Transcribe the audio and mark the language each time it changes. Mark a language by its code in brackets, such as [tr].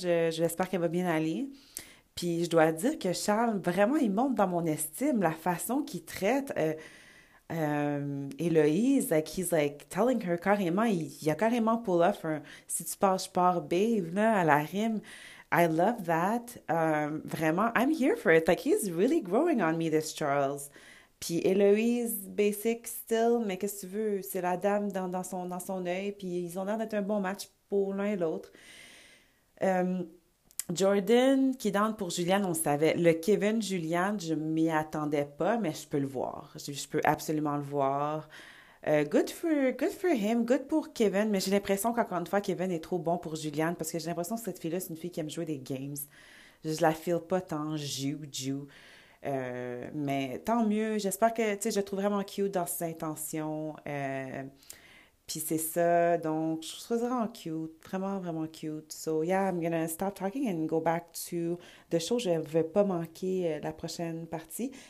[fr] J'espère qu'elle va bien aller. Puis je dois dire que Charles, vraiment, il monte dans mon estime. La façon qu'il traite Héloïse, like, [en] he's like telling her [fr] carrément, il a carrément pull off un « si tu pars, je pars, babe », là, à la rime. [en] I love that. Vraiment, I'm here for it. Like, he's really growing on me, this Charles. [fr] Puis Héloïse, basic still, mais qu'est-ce que tu veux? C'est la dame dans son œil. Puis ils ont l'air d'être un bon match pour l'un et l'autre. Jordan qui danse pour Julianne, on le savait. Le Kevin Julianne, je m'y attendais pas, mais je peux le voir. Je peux absolument le voir. [en] Good for him, [fr] good pour Kevin, mais j'ai l'impression qu'encore une fois, Kevin est trop bon pour Julianne parce que j'ai l'impression que cette fille-là, c'est une fille qui aime jouer des games. Je la feel pas tant, joue. Mais tant mieux, j'espère que, tu sais, je trouve vraiment cute dans ses intentions. Puis c'est ça, donc je trouve ça vraiment cute, vraiment, vraiment cute. [en] So yeah, I'm gonna stop talking and go back to the show. [fr] Je ne vais pas manquer la prochaine partie.